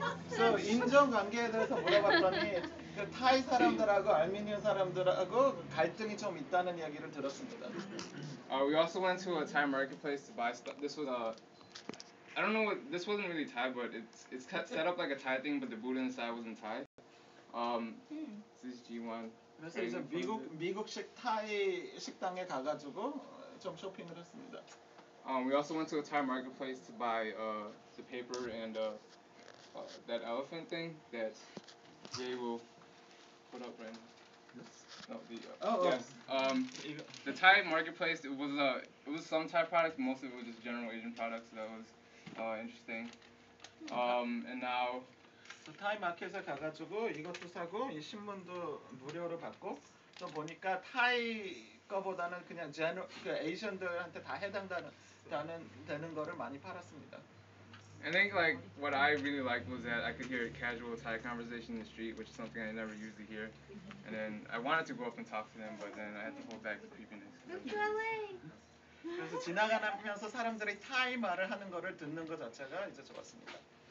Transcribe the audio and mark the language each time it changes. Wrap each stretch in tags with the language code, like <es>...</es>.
<ko>So, 인종관계에 대해서 물어봤더니 그 타이 사람들하고 알미니아 사람들하고 갈등이 좀 있다는 이야기를 들었습니다.</ko> <en>We also went to a Thai marketplace to buy stuff. This was a I don't know what this wasn't really Thai, but it's set up like a Thai thing, but the booth inside wasn't Thai. This is G1.</en> <ko>그래서 이제 미국식 타이 식당에 가가지고 좀 쇼핑을 했습니다.</ko> <en>We also went to a Thai marketplace to buy the paper and that elephant thing that Jay will put up right now. The Thai marketplace it was some Thai products, most of it was just general Asian products, so that was interesting. And now.</en> <ko>타이 마켓에 가가지고 이것도 사고 이 신문도 무료로 받고 또 보니까 타이 거보다는 그냥 제너 그 아시안들한테 다 해당되는 되는 거를 많이 팔았습니다.</ko> <en>I think like what I really liked was that I could hear a casual Thai conversation in the street, which is something I never usually hear. And then I wanted to go up and talk to them, but then I had to hold back the creepiness.</en> <ko>그래서 지나가면서 사람들이 타이 말을 하는 거를 듣는 것 자체가 이제 좋았습니다.</ko>